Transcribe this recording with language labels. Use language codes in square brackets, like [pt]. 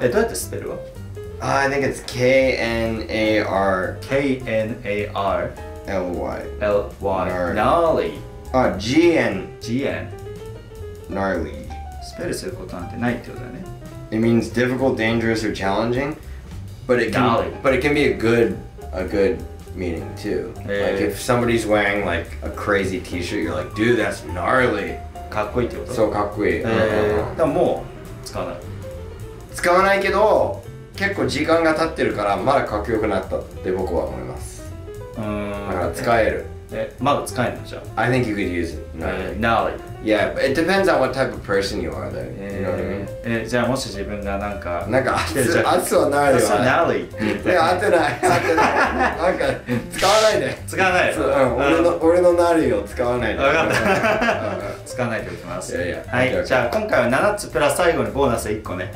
[ja] え、どうやってスペルは [en] I think it's K-N-A-R. K-N-A-R. L-Y. L-Y. Gnarly. あ、G-N. G-N. Gnarly. [ja] スペルすることなんてないってことだね。 [en] It means difficult, dangerous, or challenging. But it can be a good meaning too. Like if somebody's wearing like a crazy T-shirt, you're like, dude, that's gnarly. [ja] かっこいいってこと。そうかっこいい。でももう使わない。使わないけど結構時間が経ってるからまだかっこよくなったって僕は思います。だから使える。 [en] I think you could use Nali. Yeah, it depends on what type of person you are though. You know what I mean? [ja] じゃあもし自分がなんか熱そうなるよ。熱そうなる。いや、合ってない。なんか使わないで。使わない。俺のなるよ使わないで。わかった。使わないでおきます。 [en] Yeah, yeah. [ja] はい、 [en] okay, okay. [ja] じゃあ今回は7つプラス最後にボーナス1個ね。